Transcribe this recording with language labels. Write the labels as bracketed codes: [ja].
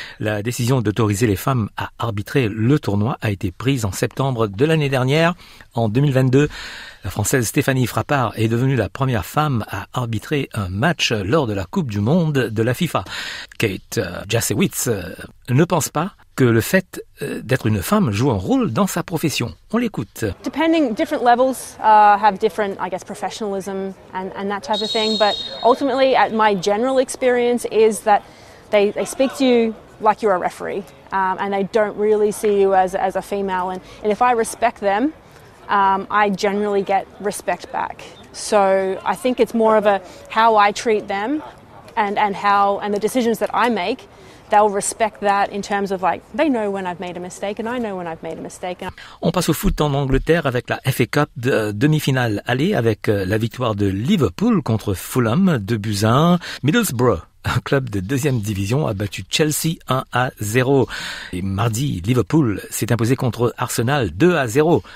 [fr] La décision d'autoriser les femmes à arbitrer le tournoi a été prise en septembre de l'année dernière. En 2022, la Française Stéphanie Frappard est devenue la première femme à arbitrer un match lors de la Coupe du Monde de la FIFA. Kate Jasiewicz ne pense pas que le fait d'être une femme joue un rôle dans sa profession. On l'écoute. [en] Depending, different levels have different, I guess, professionalism and that type of thing. But ultimately, at my general experience is that they speak to you like you're a referee, and they don't really see you as a female. And if I respect them, I generally get respect back. So I think it's more of a how I treat them and how and the decisions that I make, they'll respect that in terms of like, they know when I've made a mistake and I know when I've made a mistake. [fr] On passe au foot en Angleterre avec la FA Cup de demi-finale aller avec la victoire de Liverpool contre Fulham 2-1. Middlesbrough, un club de deuxième division, a battu Chelsea 1-0. Et mardi, Liverpool s'est imposé contre Arsenal 2-0.